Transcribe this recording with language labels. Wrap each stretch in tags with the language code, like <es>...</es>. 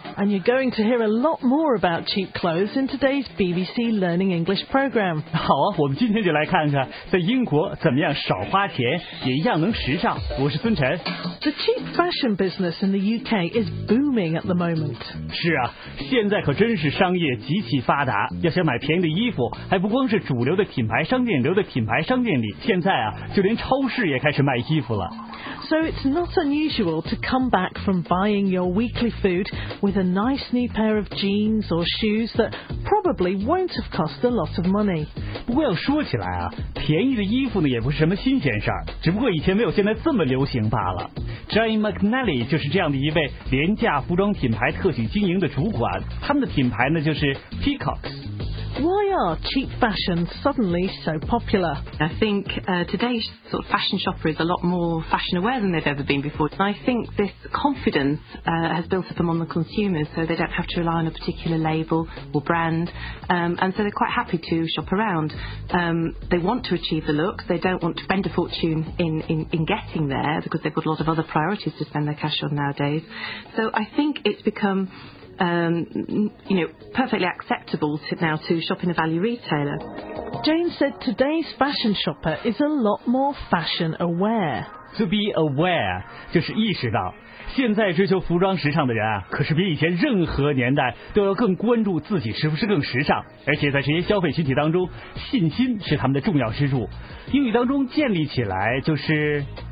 <en>And you're going to hear a lot more about cheap clothes in today's BBC Learning English program.</en> <zh>好啊，我们今天就来看看在英国怎么样少花钱也一样能时尚。我是孙晨。</zh> <en>The cheap fashion business in the UK is booming at the moment.</en> <zh>是啊，现在可真是商业极其发达，要想买便宜的衣服，还不光是主流的品牌商店、流的品牌商店里，现在啊，就连超市也开始卖衣服了。</zh> <en>So it's not unusual to come back from buying your weekly food with a nice new pair of jeans or shoes that probably won't have cost a lot of money.</en> <zh>不过要说起来啊，便宜的衣服呢也不是什么新鲜事儿，只不过以前没有现在这么流行罢了。 Jane McNally 就是这样的一位廉价服装品牌特许经营的主管，他们的品牌呢就是 Peacocks。</zh> <en>Why are cheap fashion suddenly so popular? I think today's sort of fashion shopper is a lot more fashion aware than they've ever been before. And I think this confidence has built up among the consumers, so they don't have to rely on a particular label or brand, and so they're quite happy to shop around. They want to achieve the look, they don't want to spend a fortune in getting there, because they've got a lot of other priorities to spend their cash on nowadays. So I think it's becomeperfectly acceptable now to shop in a value retailer. Jane said today's fashion shopper is a lot more fashion aware. To be aware</en> <zh>就是意识到，现在追求服装时尚的人啊，可是比以前任何年代都要更关注自己是不是更时尚。而且在这些消费群体当中，信心是他们的重要支柱。英语当中建立起来就是</zh>